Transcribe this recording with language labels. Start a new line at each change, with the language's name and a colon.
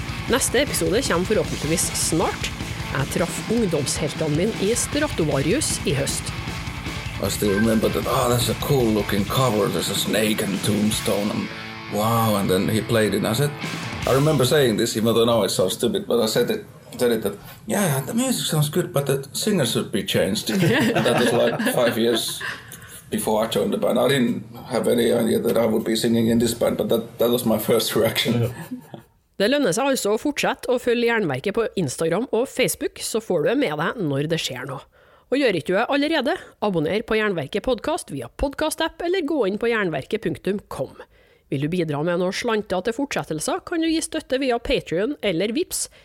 Norwegian: Neste episode kommer forhåpentligvis snart. Jeg traff ungdomsheltene min i Stratovarius i høst.
English: I still remember that, oh, that's a cool looking cover, there's a snake and tombstone, and wow, and then he played it. I remember saying this, even though now it's so stupid, but I said it. Said it that, yeah, the music sounds good, but the singer should be changed. And that was like 5 years before I joined the band. I didn't have any idea that I would be singing in this band, but that was my first reaction.
Norwegian: Det lønner seg altså å fortsette å følge Jernverket på Instagram og Facebook, så får du med deg når det skjer noe. Og gjør ikke du det allerede, abonner på Jernverket podcast via podcast-app eller gå inn på jernverket.com. Vil du bidra med noe slantet til fortsettelser, kan du gi støtte via Patreon eller Vips.